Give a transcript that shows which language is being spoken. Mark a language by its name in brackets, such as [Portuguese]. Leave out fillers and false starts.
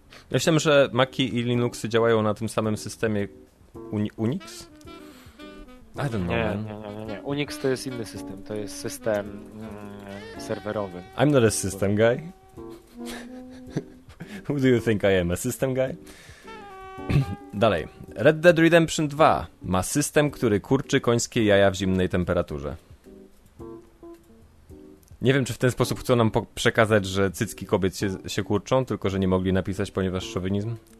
[Polish] Myślę, że Maci i Linuxy działają na tym samym systemie Unix? Nie. Unix to jest inny system. To jest system serwerowy. [English] I'm not a system guy. Who do you think I am? A system guy? [Polish] Dalej. Red Dead Redemption 2 ma system, który kurczy końskie jaja w zimnej temperaturze. Nie wiem, czy w ten sposób chcą nam przekazać, że cycki kobiet się kurczą, tylko że nie mogli napisać, ponieważ szowinizm.